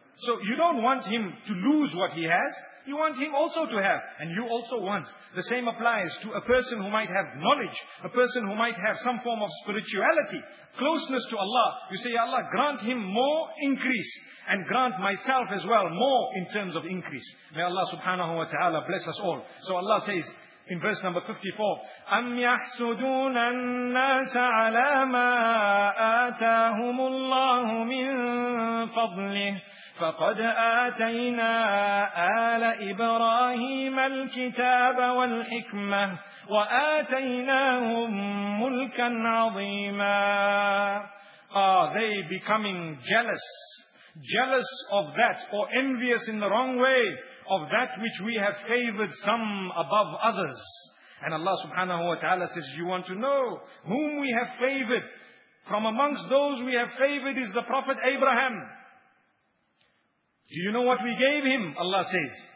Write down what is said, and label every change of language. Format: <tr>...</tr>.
<en>So you don't want him to lose what he has. You want him also to have. And you also want. The same applies to a person who might have knowledge. A person who might have some form of spirituality. Closeness to Allah. You say, Ya Allah, grant him more increase. And grant myself as well more in terms of increase. May Allah subhanahu wa ta'ala bless us all. So Allah says in verse number 54,</en> <ar>أَمْ يَحْسُدُونَ النَّاسَ عَلَى مَا آتَاهُمُ اللَّهُ مِنْ فَضْلِهِ فَقَدْ آتَيْنَا آلَ إِبْرَاهِيمَ الْكِتَابَ وَالْحِكْمَةَ وَآتَيْنَاهُمْ مُلْكًا عَظِيمًا.</ar> <en>Are they becoming jealous? Jealous of that, or envious in the wrong way, of that which we have favored some above others. And Allah subhanahu wa ta'ala says, you want to know whom we have favored? From amongst those we have favored is the Prophet Abraham. Do you know what we gave him? Allah says.</en>